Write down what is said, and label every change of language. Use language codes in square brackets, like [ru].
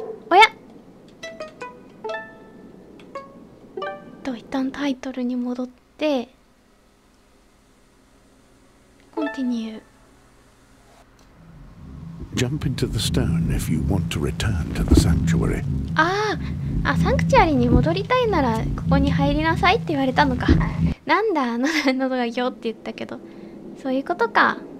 [ja] おや、と一旦タイトルに戻ってコンティニュー。 [en] Jump into the stone if you want to return to the sanctuary. [ja] あ、サンクチュアリに戻りたいならここに入りなさいって言われたのか。なんだ、喉がギョって言ったけど、そういうことか。